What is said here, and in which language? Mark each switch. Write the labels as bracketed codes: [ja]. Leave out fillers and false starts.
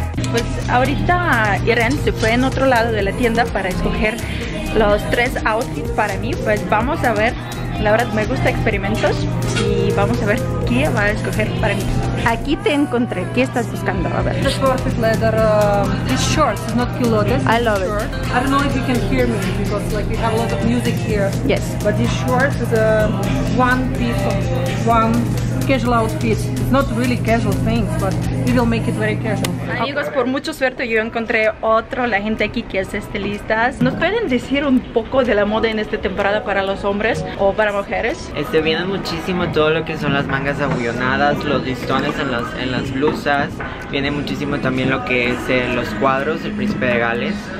[es] Pues ahorita Irene se fue en otro lado de la tienda para escoger los tres outfits para mí. Pues vamos a ver, la verdad me gusta experimentos y vamos a ver qué va a escoger para mí. Aquí te encontré, ¿qué estás buscando? A ver. [en] The perfect leather, it's short, it's not culottes. I love it. I don't know if you can hear me because like we have a lot of music here. Yes. But this short is a one piece of one casual outfit. Not really casual things, but we will make it very casual. [es] Amigos, por mucha suerte yo encontré otro, la gente aquí que es estilista. ¿Nos pueden decir un poco de la moda en esta temporada para los hombres o para mujeres? Vienen muchísimo todo lo que son las mangas abullonadas, los listones en las blusas. Viene muchísimo también lo que es los cuadros, el príncipe de Gales.